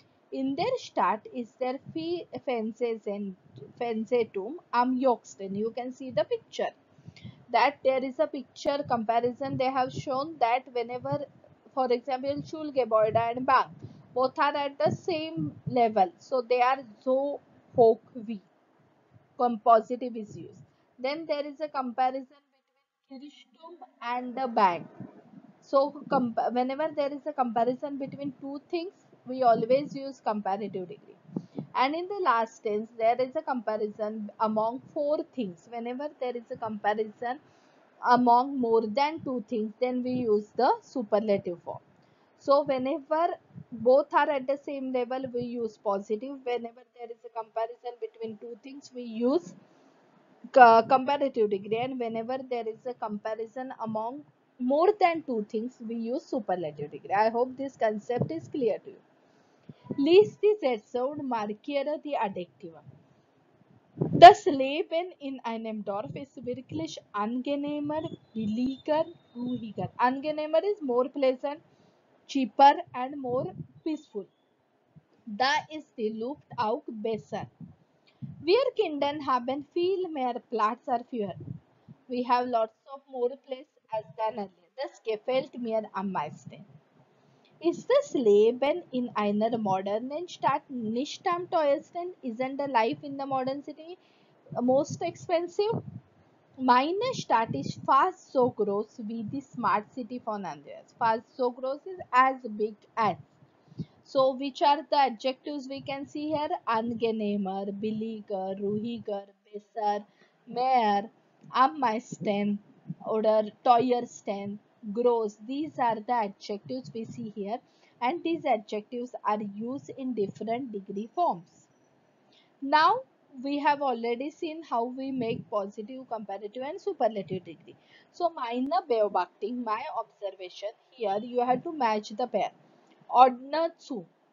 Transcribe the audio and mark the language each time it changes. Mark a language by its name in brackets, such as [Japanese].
[German] In der Stadt ist der Fernsehturm am höchsten. [English] You can see the picture. That there is a picture comparison. They have shown that whenever, for example, Schulgebäude and Bank, both are at the same level. So they are [German] so hoch wie. [English] Compositive is used. Then there is a comparison between Kirchturm and the Bank. So, whenever there is a comparison between two things, we always use comparative degree. And in the last tense, there is a comparison among four things. Whenever there is a comparison among more than two things, then we use the superlative form. So, whenever both are at the same level, we use positive. Whenever there is a comparison between two things, we use comparative degree. And whenever there is a comparison among more than two things, we use superlative degree. I hope this concept is clear to you. List the adjective, [German] markiere [English] the adjective. [German] Das Leben in einem Dorf ist wirklich angenehmer, billiger, ruhiger. [English] Angenehmer is more pleasant, cheaper and more peaceful. [German] Da ist die Luft auch besser. Wir Kinder haben viel mehr Platz als früher. [English] We have lots of more place as than earlier. [German] Das gefällt mir am meisten. Ist das Leben in einer modernen Stadt nicht am teuersten? [English] Isn't the life in the modern city most expensive? [German] Meine Stadt ist fast so groß wie die [English] smart city [German] von Andreas. Fast so groß [English] is as big as. So which are the adjectives we can see here? [German] Angenehmer, billiger, ruhiger, besser, mehr, am meisten, oder teuersten. Gross. [English] These are the adjectives we see here, and these adjectives are used in different degree forms. Now we have already seen how we make positive, comparative and superlative degree. [German] So meine Beobachtung, [English] my observation, here you have to match the pair. [German] Ordner zu.